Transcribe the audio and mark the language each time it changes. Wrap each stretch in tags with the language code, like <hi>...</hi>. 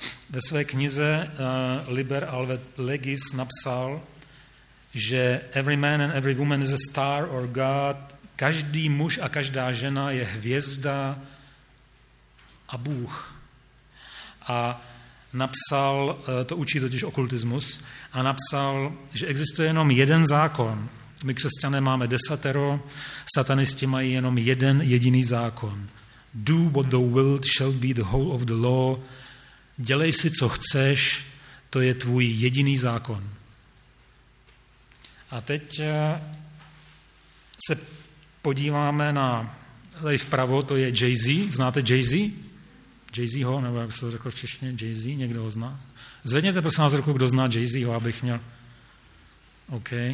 <cs>Ve své knize Liber Alve Legis napsal, že</cs> <en>every man and every woman is a star or god,</en> <cs>každý muž a každá žena je hvězda a Bůh. A napsal, to učí totiž okultismus, a napsal, že existuje jenom jeden zákon. My křesťané máme desatero, satanisti mají jenom jeden jediný zákon.</cs> <en>Do what thou wilt shall be the whole of the law.</en> <cs>Dělej si, co chceš, to je tvůj jediný zákon. A teď se podíváme na, tady vpravo to je Jay-Z, znáte Jay-Z? Jay-Zho, nebo jak se to řekl v češtině, Jay-Z, někdo ho zná? Zvedněte prosím vás ruku, kdo zná Jay-Zho, abych měl, OK.</cs>